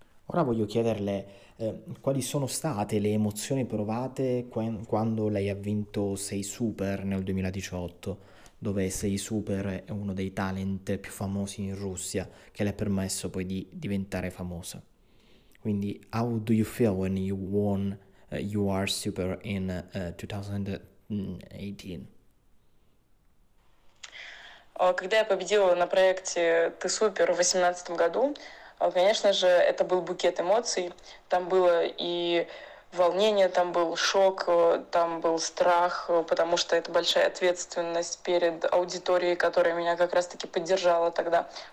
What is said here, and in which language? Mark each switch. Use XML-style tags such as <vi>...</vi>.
<it>Ora voglio chiederle, quali sono state le emozioni provate quando lei ha vinto Sei Super nel 2018, dove Sei Super è uno dei talent più famosi in Russia, che le ha permesso poi di diventare famosa. Quindi,</it> <en>how do you feel when you won You Are Super in 2018?</en> <ru>Когда я победила на проекте «Ты супер» в 2018 году, конечно же, это был букет эмоций. Там было и волнение, там был шок, там был страх, потому что это большая ответственность перед аудиторией, которая меня как раз-таки поддержала тогда.</ru>